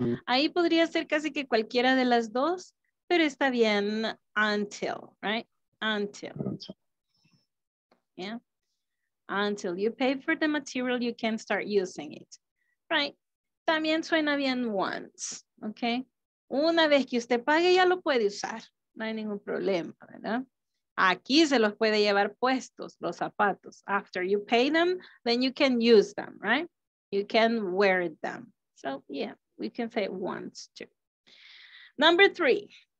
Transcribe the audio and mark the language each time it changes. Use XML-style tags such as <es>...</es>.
<es>Ahí podría ser casi que cualquiera de las dos, pero está bien,</es> <en>until, right? Until. Yeah. Until you pay for the material, you can start using it, right?</en> <es>También suena bien once, okay? Una vez que usted pague, ya lo puede usar. No hay ningún problema, ¿verdad? Aquí se los puede llevar puestos, los zapatos.</es> <en>After you pay them, then you can use them, right? You can wear them. So, yeah, we can say once too. Number three.</en>